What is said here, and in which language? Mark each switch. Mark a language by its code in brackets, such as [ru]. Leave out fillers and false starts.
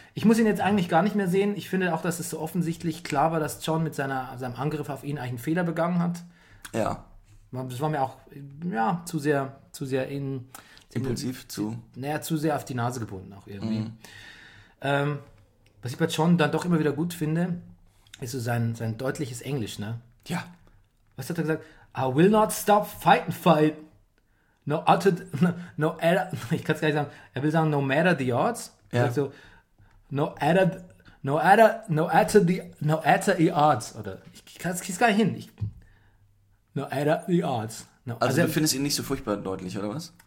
[de] Ich muss ihn jetzt eigentlich gar nicht mehr sehen. Ich finde auch, dass es so offensichtlich klar war, dass Jon mit seinem Angriff auf ihn eigentlich einen Fehler begangen hat. Ja. Das war mir auch, ja, zu sehr in... Impulsiv in, zu... Naja, zu sehr auf die Nase gebunden auch irgendwie. Mhm. Was ich bei Jon dann doch immer wieder gut finde, ist so sein deutliches Englisch, ne? Ja. Was hat er gesagt? [en] I will not stop fighting, fight. [de] No, ich kann es gar nicht sagen. Er will sagen, [en] no matter the odds. [de] Ja. [en] So, no matter the odds. [de] Oder ich kann es gar nicht hin. [en] No matter the odds. No, [de] also du findest ihn nicht so furchtbar deutlich, oder was?